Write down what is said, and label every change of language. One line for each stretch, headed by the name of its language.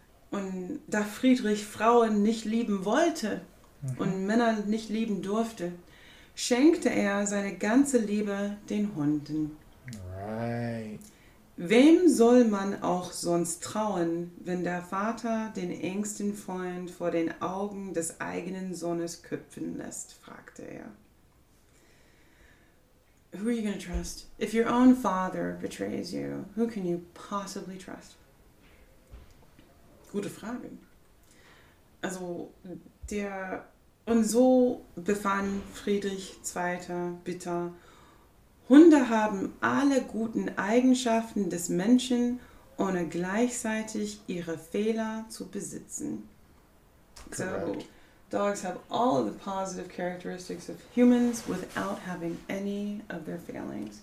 German: Und da Friedrich Frauen nicht lieben wollte und Männer nicht lieben durfte, schenkte er seine ganze Liebe den Hunden.
English: Right.
German: Wem soll man auch sonst trauen, wenn der Vater den engsten Freund vor den Augen des eigenen Sohnes köpfen lässt, fragte er.
English: Who are you gonna trust? If your own father betrays you, who can you possibly trust?
German: Gute Frage. Also, der... Und so befand Friedrich II. Bitter... Hunde haben alle guten Eigenschaften des Menschen, ohne gleichzeitig ihre Fehler zu besitzen.
English: Correct. So, dogs have all of the positive characteristics of humans without having any of their failings.